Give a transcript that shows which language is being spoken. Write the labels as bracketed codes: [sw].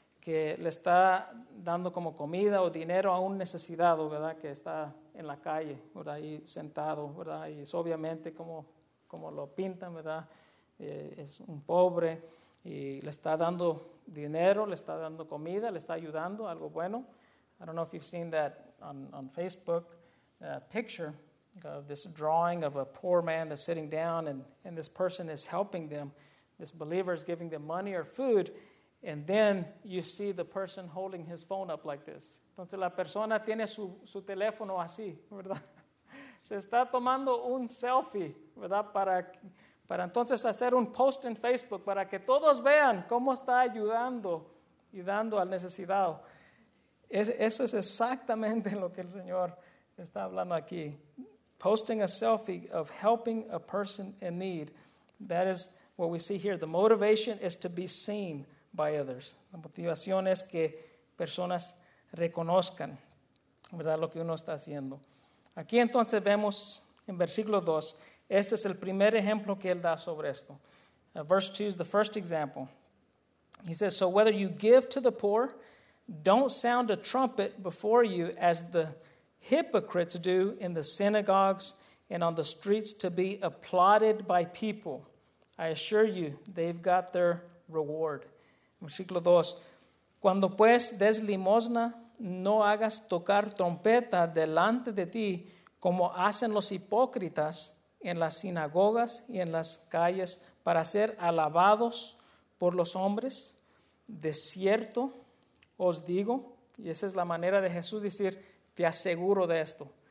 [es] que le está dando como comida o dinero a un necesitado, ¿verdad? Que está en la calle, ¿verdad? Ahí sentado, ¿verdad? Y es obviamente como lo pintan, ¿verdad? Es un pobre y le está dando dinero, le está dando comida, le está ayudando, algo bueno. [en] I don't know if you've seen that on Facebook, picture of this drawing of a poor man that's sitting down and this person is helping them. This believer is giving them money or food. And then you see the person holding his phone up like this. [es] Entonces la persona tiene su teléfono así, ¿verdad? Se está tomando un selfie, ¿verdad? Para entonces hacer un post en Facebook para que todos vean cómo está ayudando y dando al necesitado. Eso es exactamente lo que el Señor está hablando aquí. [en] Posting a selfie of helping a person in need. That is what we see here. The motivation is to be seen by others. [es] La motivación es que personas reconozcan, ¿verdad?, lo que uno está haciendo. Aquí entonces vemos en versículo 2, este es el primer ejemplo que él da sobre esto. [en] Verse 2 is the first example. He says, so whether you give to the poor, don't sound a trumpet before you as the hypocrites do in the synagogues and on the streets to be applauded by people. I assure you, they've got their reward. [es] Versículo 2. Cuando pues des limosna, no hagas tocar trompeta delante de ti como hacen los hipócritas en las sinagogas y en las calles para ser alabados por los hombres. De cierto os digo, y esa es la manera de Jesús decir, te aseguro de esto.